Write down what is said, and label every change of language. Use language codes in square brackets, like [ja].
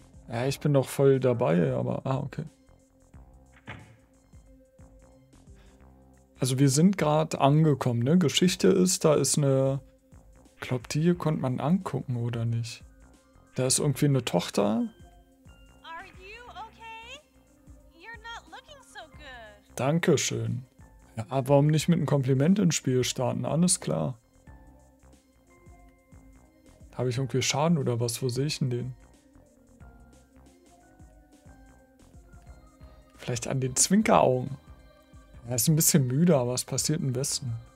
[de] Ja, ich bin doch voll dabei, aber... Ah, okay. Also wir sind gerade angekommen, ne? Geschichte ist, da ist eine... Glaub, die hier konnte man angucken, oder nicht? Da ist irgendwie eine Tochter. [en] Are you okay? You're not looking so good. [de] Dankeschön. Ja, aber warum nicht mit einem Kompliment ins Spiel starten? Alles klar. Habe ich irgendwie Schaden oder was? Wo sehe ich denn den? Vielleicht an den Zwinkeraugen. Er ist ein bisschen müde, aber es passiert im Westen.